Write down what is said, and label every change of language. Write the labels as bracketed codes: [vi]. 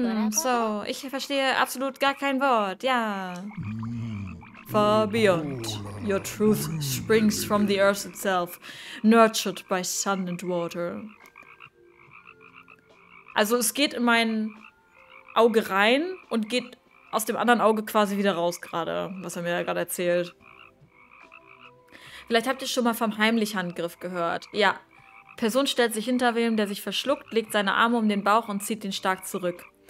[de] So, ich verstehe absolut gar kein Wort, ja. [en] Far beyond. Your truth springs from the earth itself, nurtured by sun and water. [de] Also es geht in mein Auge rein und geht aus dem anderen Auge quasi wieder raus gerade, was er mir gerade erzählt. Vielleicht habt ihr schon mal vom Heimlich-Handgriff gehört. Ja, Person stellt sich hinter wem, der sich verschluckt, legt seine Arme um den Bauch und zieht ihn stark zurück.